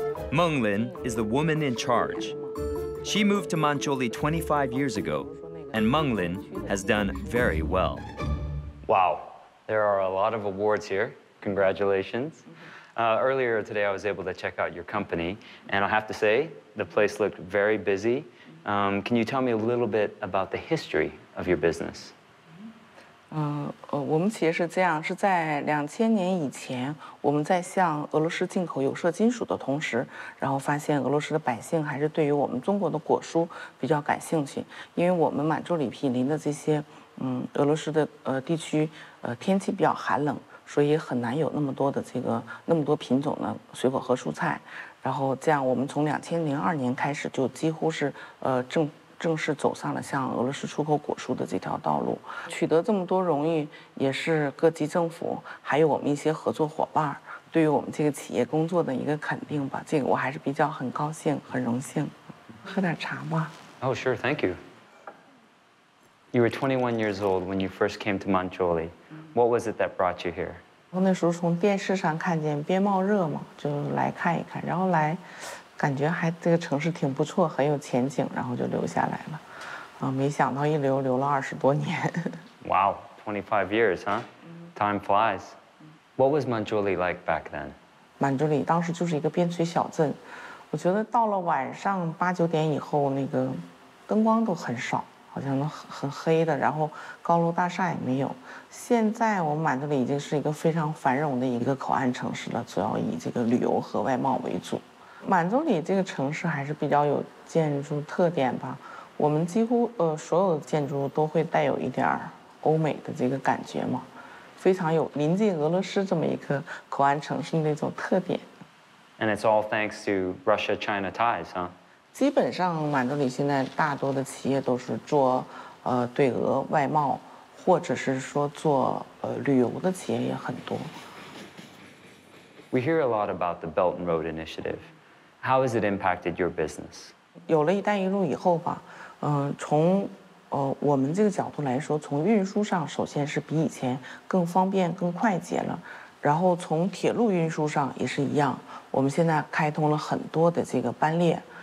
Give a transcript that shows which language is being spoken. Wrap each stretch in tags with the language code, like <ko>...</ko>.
<en>Meng Lin is the woman in charge. She moved to Mongolia 25 years ago, and Meng Lin has done very well. Wow, there are a lot of awards here. Congratulations. Earlier today, I was able to check out your company, and I have to say, the place looked very busy. Can you tell me a little bit about the history of your business?</en> <zh>我们企业是这样，是在2000年以前，我们在向俄罗斯进口有色金属的同时，然后发现俄罗斯的百姓还是对于我们中国的果蔬比较感兴趣，因为我们满洲里毗邻的这些，俄罗斯的地区，天气比较寒冷，所以很难有那么多的这个那么多品种的水果和蔬菜，然后这样我们从2002年开始就几乎是正式走上了向俄罗斯出口果蔬的这条道路，取得这么多荣誉也是各级政府还有我们一些合作伙伴对于我们这个企业工作的一个肯定吧，这个我还是比较很高兴很荣幸。喝点茶吧。</zh> <en>Oh, sure, thank you. You were 21 years old when you first came to Mongolia. What was it that brought you here?</en> <zh>我那时候从电视上看见边贸热嘛，就来看一看，然后来感觉还这个城市挺不错，很有前景，然后就留下来了。没想到一留留了20多年。</zh> <en>Wow, 25 years, huh? Time flies. What was Mongolia like back then?</en> <zh>Mongolia 当时就是一个边陲小镇。我觉得到了晚上8、9点以后，那个灯光都很少，好像都很黑的，然后高楼大厦也没有。现在我们Mongolia已经是一个非常繁荣的一个口岸城市了，主要以这个旅游和外贸为主。满洲里这个城市还是比较有建筑特点吧，我们几乎所有的建筑都会带有一点欧美的这个感觉嘛，非常有临近俄罗斯这么一个口岸城市那种特点。</zh> <en>And it's all thanks to Russia-China ties, huh?</en> <zh>基本上满洲里现在大多的企业都是做对俄外贸，或者是说做旅游的企业也很多。</zh> <en>We hear a lot about the Belt and Road Initiative. How has it impacted your business?</en> <zh>有了一带一路以后吧，从我们这个角度来说，从运输上首先是比以前更方便更快捷了，然后从铁路运输上也是一样，我们现在开通了很多的这个班列，</zh>